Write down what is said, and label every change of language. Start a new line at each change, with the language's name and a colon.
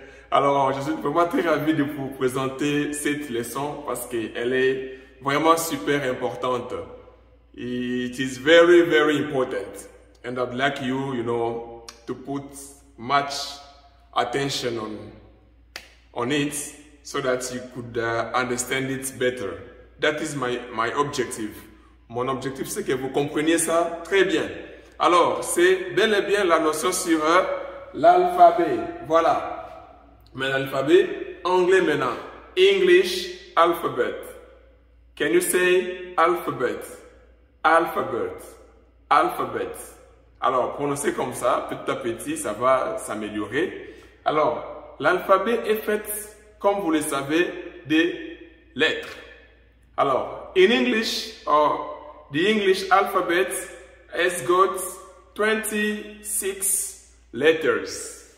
French: Alors je suis vraiment très ravi de vous présenter cette leçon parce qu'elle est vraiment super importante.
English: It is very very important. And I'd like you, you know, to put much attention on it so that you could understand it better. That is my objective.
French: Mon objectif, c'est que vous compreniez ça très bien. Alors, c'est bel et bien la notion sur l'alphabet. Voilà. Mais l'alphabet anglais maintenant.
English: English alphabet. Can you say alphabet? Alphabet. Alphabet.
French: Alors, prononcez comme ça, petit à petit, ça va s'améliorer. Alors, l'alphabet est fait, comme vous le savez, des lettres. Alors,
English: in English, or the English alphabet has got 26 letters.